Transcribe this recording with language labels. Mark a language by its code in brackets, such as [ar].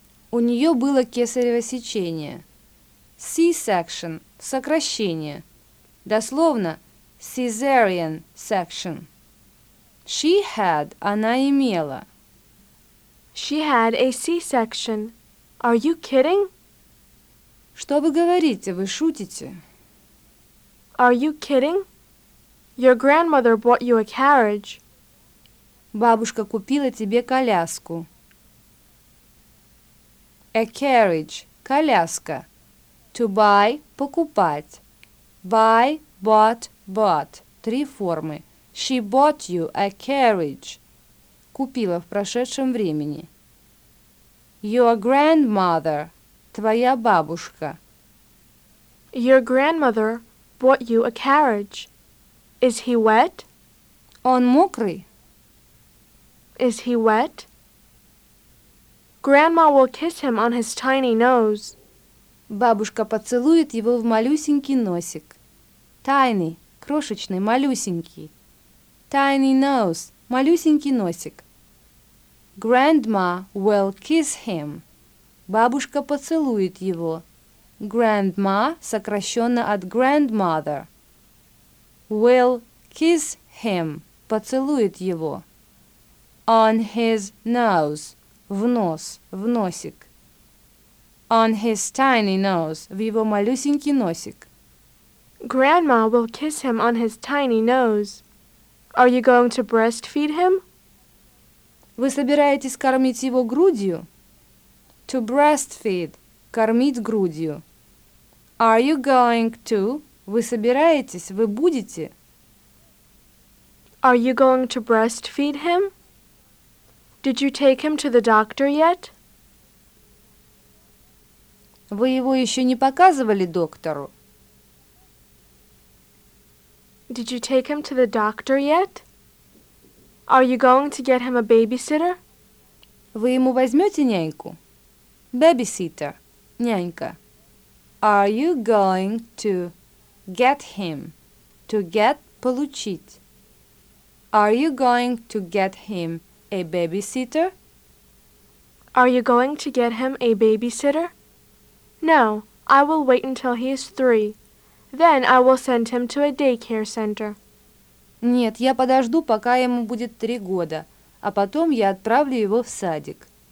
[ru] У нее было кесарево сечение. C-section – сокращение. Дословно [en] – cesarean section. She had – [ru] она имела. [en] She had a C-section. Are you kidding? [ru] Что вы говорите? Вы шутите? [en] Are you kidding? Your grandmother bought you a carriage. [ru] Бабушка купила тебе коляску. [en] A carriage – [ru] коляска. [en] To buy – [ru] покупать. [en] Buy, bought, bought – три формы. She bought you a carriage. [ru] Купила в прошедшем времени. [en] Your grandmother [ru] – твоя бабушка. [en] Your grandmother bought you a carriage. Is he wet? [ru] Он мокрый. [en] Is he wet? Grandma will kiss him on his tiny nose. [ru] Бабушка поцелует его в малюсенький носик. Тайный, крошечный, малюсенький. [en] Tiny nose, [ru] малюсенький носик. [en] Grandma will kiss him. [ru] Бабушка поцелует его. Grandma, сокращенно от grandmother. [en] Will kiss him, [ru] поцелует его. [en] On his nose, [ru] в нос, в носик. [en] On his tiny nose, [ru] в его малюсенький носик. [en] Grandma will kiss him on his tiny nose. Are you going to breastfeed him? [ru] Вы собираетесь кормить его грудью? [en] To breastfeed, [ru] кормить грудью. [en] Are you going to? [ru] Вы собираетесь, вы будете? [en] Are you going to breastfeed him? Did you take him to the doctor yet? [ru] Вы его еще не показывали доктору? [en] Did you take him to the doctor yet? Are you going to get him a babysitter? [ru] Вы ему возьмете няньку? [en] Babysitter, [ru] нянька. [en] Are you going to get him? To get, [ru] получить. [en] Are you going to get him a babysitter? Are you going to get him a babysitter? No, I will wait until he is three. Then I will send him to a daycare center. [ru] Нет, я подожду, пока ему будет 3 года, а потом я отправлю его в садик.